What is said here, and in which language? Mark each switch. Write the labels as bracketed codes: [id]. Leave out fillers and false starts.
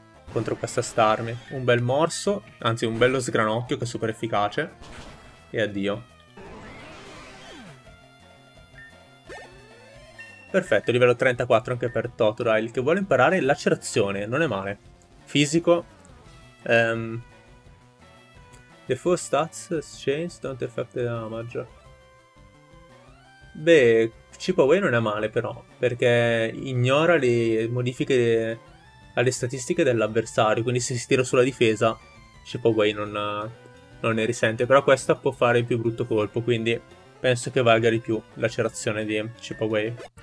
[it] Contro questa Starmie. Un bel morso, anzi un bello sgranocchio che è super efficace. E addio. Perfetto, livello 34 anche per Totodile, che vuole imparare lacerazione, non è male. Fisico. [en] The full stats change don't affect the damage. [it] Beh, Chipaway non è male però, perché ignora le modifiche alle statistiche dell'avversario, quindi se si tira sulla difesa, Chipaway non ne risente. Però questa può fare il più brutto colpo, quindi penso che valga di più lacerazione di Chipaway.